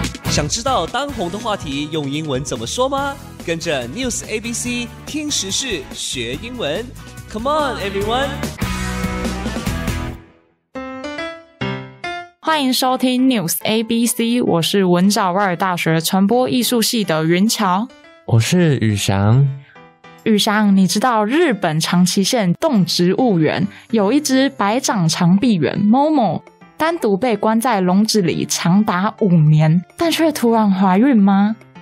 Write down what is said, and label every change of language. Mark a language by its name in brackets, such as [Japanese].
[Chinese] 想知道当红的话题用英文怎么说吗？跟着 News ABC 听时事学英文 ， [English] Come on everyone！ [Chinese] 欢迎收听 News ABC， 我是文藻外尔大学传播艺术系的云乔，我是宇翔。宇翔，你知道日本长崎县动植物园有一只白掌长臂猿 Momo 单独被关在笼子里长达5年，但却突然怀孕吗？